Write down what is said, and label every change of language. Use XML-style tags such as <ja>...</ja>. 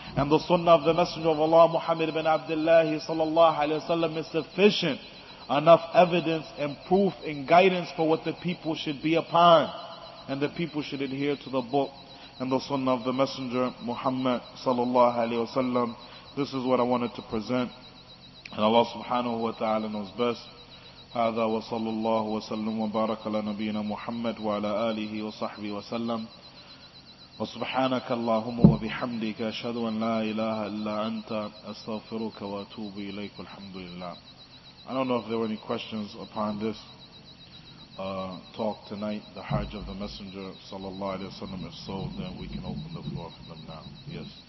<en>And the Sunnah of the Messenger of Allah, Muhammad ibn Abdullah</en> <ar>sallallahu alayhi wa sallam,</ar> <en>is sufficient enough evidence and proof and guidance for what the people should be upon. And the people should adhere to the book and the Sunnah of the Messenger Muhammad</en> <ar>sallallahu alayhi wa sallam.</ar> <en>This is what I wanted to present. And Allah</en> <ar>subhanahu wa ta'ala</ar> <en>knows best.</en> <ar>هذا وصلى الله وسلم وبارك على نبينا محمد وعلى آله وصحبه وسلم. وسبحانك اللهم وبحمدك أشهد أن لا إله إلا أنت أستغفرك وأتوب إليك الحمد لله.</ar> <en>I don't know if there were any questions upon this talk tonight, the Hajj of the Messenger</en> <ar>sallallahu alayhi wa sallam.</ar> <en>If so, then we can open the floor for them now. Yes.</en>